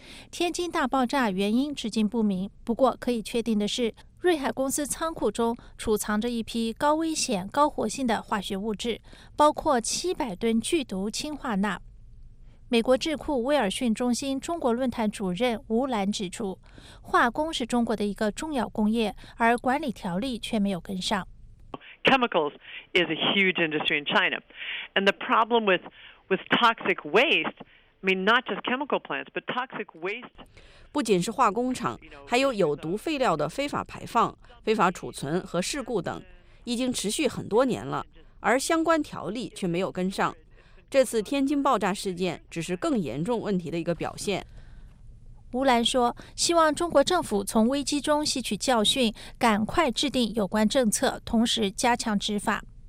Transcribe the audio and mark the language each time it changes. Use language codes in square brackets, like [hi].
[zh] 天津大爆炸原因至今不明，不过可以确定的是，瑞海公司仓库中储藏着一批高危险高活性的化学物质，包括700吨剧毒氰化钠。美国智库威尔逊中心中国论坛主任吴兰指出，化工是中国的一个重要工业，而管理条例却没有跟上。 [en] Chemicals is a huge industry in China, and the problem with toxic waste, I mean not just chemical plants, but toxic waste. [zh] 不仅是化工厂，还有有毒废料的非法排放、非法储存和事故等，已经持续很多年了，而相关条例却没有跟上。这次天津爆炸事件只是更严重问题的一个表现。吴兰说，希望中国政府从危机中吸取教训，赶快制定有关政策，同时加强执法。